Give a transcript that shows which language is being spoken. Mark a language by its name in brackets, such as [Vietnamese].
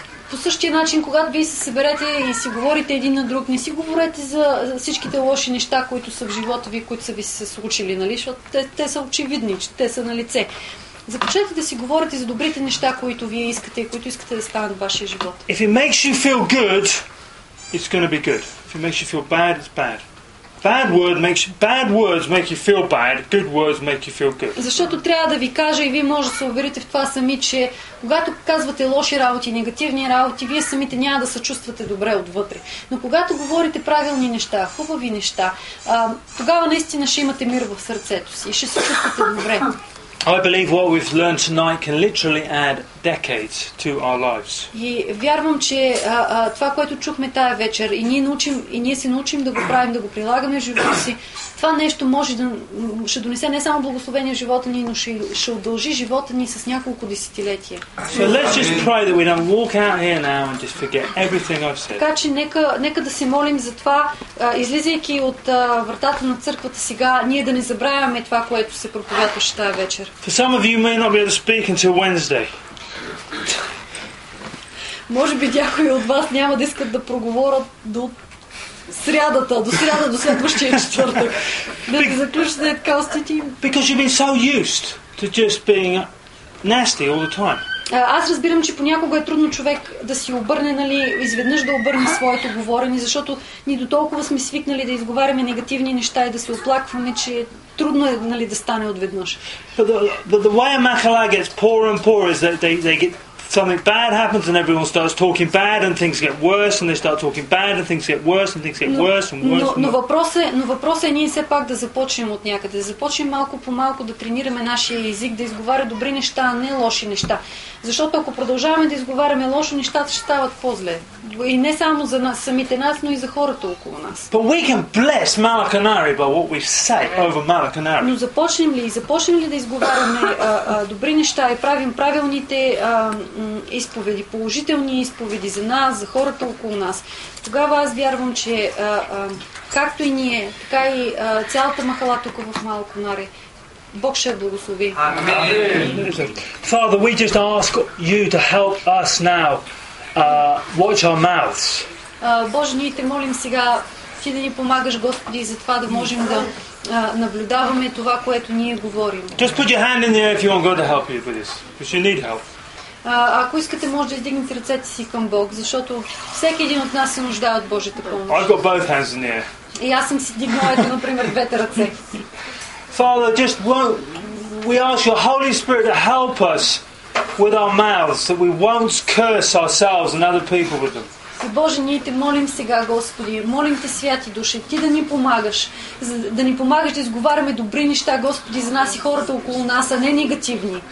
[Bulgarian] По същия начин, когато вие се съберете и си говорите един на друг, не си говорете за всичките лоши неща, които са в живота ви, които са ви се случили, нали? Защото те са очевидни, че те са на лице. Започнете да си говорите за добрите неща, които вие искате и които искате да станат в вашия живот. [English] If it makes you feel good, it's going to be good. If it makes you feel bad, it's bad. Bad words make you feel bad, good words make you feel good. [Bulgarian] Защото трябва да ви кажа и вие може да се уверите в това сами, че когато казвате лоши работи, негативни работи, вие самите няма да се чувствате добре отвътре. Но когато говорите правилни неща, хубави неща, тогава наистина ще имате мир в сърцето си и ще се чувствате добре. [English] I believe what we've learned tonight can literally add decades to our lives. [Bulgarian] И вярвам, че това, което чухме тая вечер, и ние научим, и ние се научим да го правим, да го прилагаме в живота си, това нещо може да ще донесе не само благословение в живота ни, но ще удължи живота ни с няколко десетилетия. [English] So let's just pray that we don't walk out here now and just forget everything I've said. [Bulgarian] Така че нека да се молим за това, излизайки от вратата на църквата сега, ние да не забравяме това, което се проповядваше тая вечер. [English] For some of you may not be able to speak until Wednesday. [Bulgarian] Може би някои от вас няма да искат да проговорят до срядата, до сряда, до следващия четвъртък. Да се заключите от калстите им. [English] Because you've been so used to just being nasty all the time. [Bulgarian] Аз разбирам, че понякога е трудно човек да си обърне, нали, изведнъж да обърне своето говорене, защото ни до толкова сме свикнали да изговаряме негативни неща и да се оплакваме, че трудно е, нали, да стане отведнъж. [English] The way a makhala gets poorer and poorer is that they get something bad happens and everyone starts talking bad and things get worse and they start talking bad and things get worse and things get worse and worse. [Bulgarian] Но въпросът е ние все пак да започнем от някъде. Да започнем малко по малко да тренираме нашия език, да изговаря добри неща, а не лоши неща. Защото ако продължаваме да изговаряме лошо, нещата ще стават по-зле. И не само за нас, самите нас, но и за хората около нас. [English] But we can bless Malakanari by what we say over Malakanari. [Bulgarian] Но започнем ли да изговаряме добри неща и правим правилните изповеди, положителни изповеди за нас, за хората около нас, тогава аз вярвам, че както и ние, така и цялата махала тук в Малакунари, Бог ще благослови. [English] Father, we just ask you to help us now watch our mouths. [Bulgarian] Боже, ние те молим сега ти да ни помагаш, Господи, за това да можем да наблюдаваме това, което ние говорим. [English] Just put your hand in there if you want God to help you with this, because you need help. [Bulgarian] Ако искате, може да издигнете ръцете си към Бог, защото всеки един от нас се нуждае от Божията помощ. [English] I've got both hands in here. [Bulgarian] И аз съм си дигнал ето, например, двете ръце. [English] Father, just won't we ask your Holy Spirit to help us with our mouths, that we won't curse ourselves and other people with them. [Bulgarian] И Боже, ние те молим сега, Господи, молим те, святи душе, ти да ни помагаш, да ни помагаш да изговаряме добри неща, Господи, за нас и хората около нас, а не негативни.